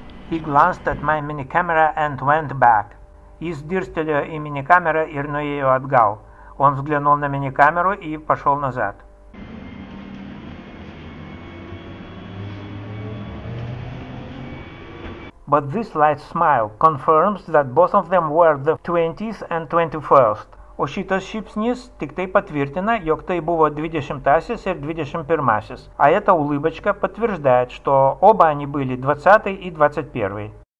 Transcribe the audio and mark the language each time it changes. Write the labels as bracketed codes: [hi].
[en] He glanced at my mini camera and went back. [lt] Jis dirstelėjo į mini kamerą ir nuėjo atgal. [ru] Он взглянул на мини камеру и пошел назад. [en] But this light smile confirms that both of them were the 20th and 21st. [lt] O šitas šypsnys tik tai patvirtina, jog tai buvo 20-asis ir 21-asis. [ru] А эта улыбочка подтверждает, что оба они были 20-й и 21-й.